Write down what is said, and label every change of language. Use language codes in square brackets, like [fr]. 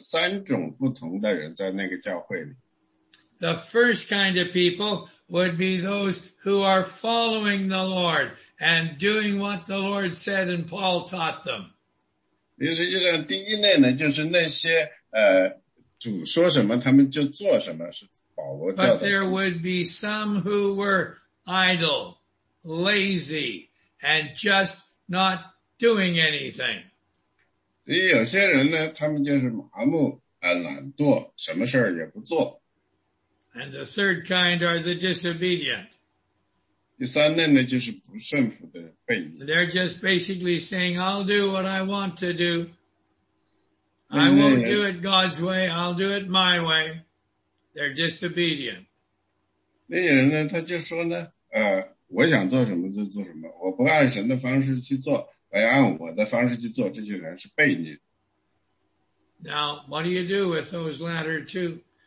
[zh] 因为在帖撒罗尼迦呢，有三种不同的人在那个教会里。 [en] The first kind of people would be those who are following the Lord and doing what the Lord said and Paul taught them. [zh] 实际上第一类呢，就是那些 主说什么，他们就做什么，是保罗教导。 [en] But there would be some who were idle, lazy, and just not doing anything. [zh] 所以有些人呢，他们就是麻木，懒惰，什么事儿也不做。 [en] And the third kind are the disobedient. They're just basically saying, I'll do what I want to do. I won't do it God's way. I'll do it my way. They're disobedient. [zh] 那些人呢,他就说呢,我想做什么就做什么,我不按神的方式去做,我要按我的方式去做,这些人是悖逆。 [en] Now, what do you do with those latter two?